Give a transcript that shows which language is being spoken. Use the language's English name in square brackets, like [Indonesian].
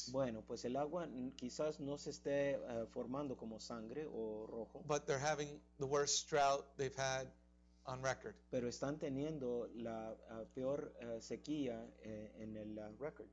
[Spanish] Bueno, pues el agua quizás no se esté formando como sangre o rojo. [English] But they're having the worst drought they've had on record. [Spanish] Pero están teniendo la peor sequía en el record.